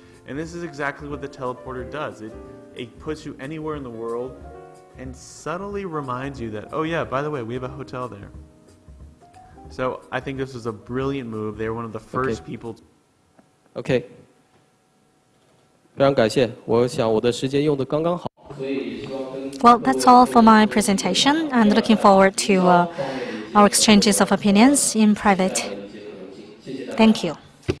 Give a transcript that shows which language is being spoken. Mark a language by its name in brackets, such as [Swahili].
[English] And this is exactly what the teleporter does. It puts you anywhere in the world and subtly reminds you that, oh yeah, by the way, we have a hotel there. So I think this was a brilliant move. They were one of the first people. Okay. [Chinese] 非常感谢，我想我的时间用得刚刚好。 [English] Well, that's all for my presentation. I'm looking forward to our exchanges of opinions in private. Thank you.